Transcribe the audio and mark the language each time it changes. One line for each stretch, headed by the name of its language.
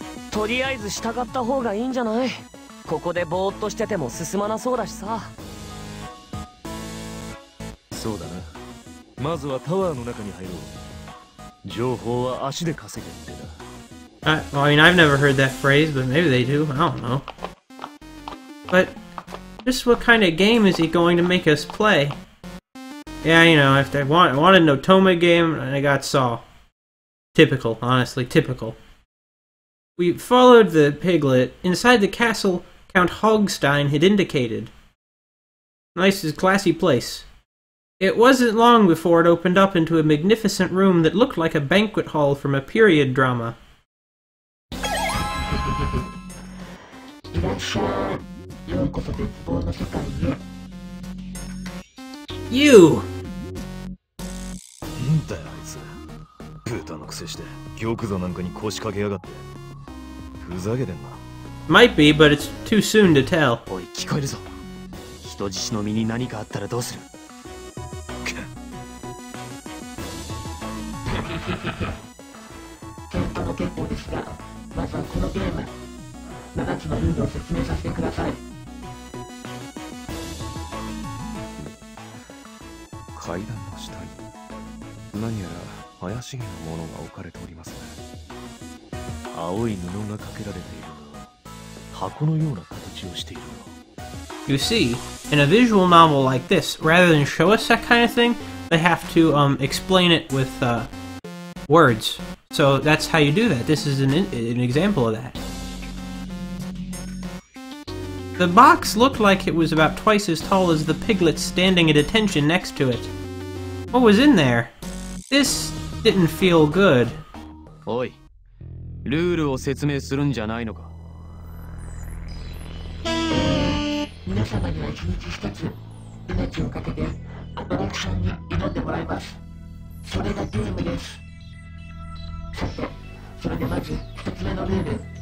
Japanese: とりあえず従った方がいいんじゃない？ここでぼーっとしてても進まなそうだしさ。そうだな。まずはタワーの中に入ろう。情報は足で稼げってな。
English: I mean, I've never heard that phrase, but maybe they do. I don't know. But just what kind of game is he going to make us play? Yeah, you know, if they wanted an Otome game, and I got Saw. Typical, honestly, typical. We followed the piglet inside the castle Count Hogstein had indicated. Nice, classy place. It wasn't long before it opened up into a magnificent room that looked like a banquet hall from a period drama. You!
Japanese: なんだよあいつ。ブタのくせして、玉座なんかに腰掛けやがって。ふざけてんな。
English: Might be, but it's too soon to tell.
Japanese: おい、聞こえるぞ。人質の身に何かあったらどうする？くっ。ケンタも結構ですが、まずはこのゲーム。 7つのルールを説明させてください。階段の下に何やら怪しげなものが置かれておりますね。青い布がかけられているのは箱のような形をしているの。
English: You see, in a visual novel like this, rather than show us that kind of thing, they have to explain it with words. So that's how you do that. This is an example of that. The box looked like it was about twice as tall as the piglet standing at attention next to it. What was in there? This didn't feel good.
Japanese: Oi, ルールを説明するんじゃないのか。皆様には一日一つ命をかけてアトラクションに挑んでもらいます。それがゲームです。さて、それでまず一つ目のルール。